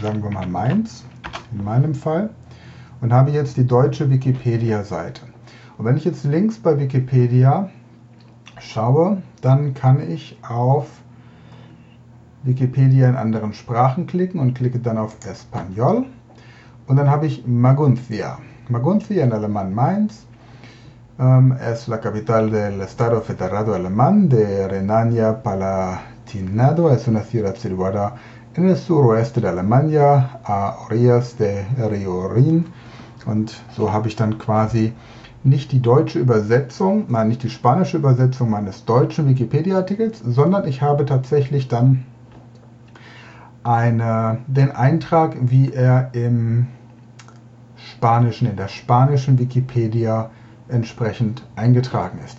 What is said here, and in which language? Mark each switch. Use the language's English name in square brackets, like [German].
[German] Sagen wir mal Mainz, in meinem Fall. Und habe jetzt die deutsche Wikipedia-Seite. Und wenn ich jetzt links bei Wikipedia schaue, dann kann ich auf Wikipedia in anderen Sprachen klicken und klicke dann auf Espanol. Und dann habe ich Maguncia. [Spanish] Maguncia in Alemann Mainz. Es la capital del Estado Federado Alemán de Renania-Palatinado. Es una ciudad situada en el suroeste de Alemania, a orillas de Río Rin. [German] Und so habe ich dann quasi nicht die deutsche Übersetzung, nein, nicht die spanische Übersetzung meines deutschen Wikipedia-Artikels, sondern ich habe tatsächlich dann den Eintrag, wie er im Spanischen, in der spanischen Wikipedia entsprechend eingetragen ist.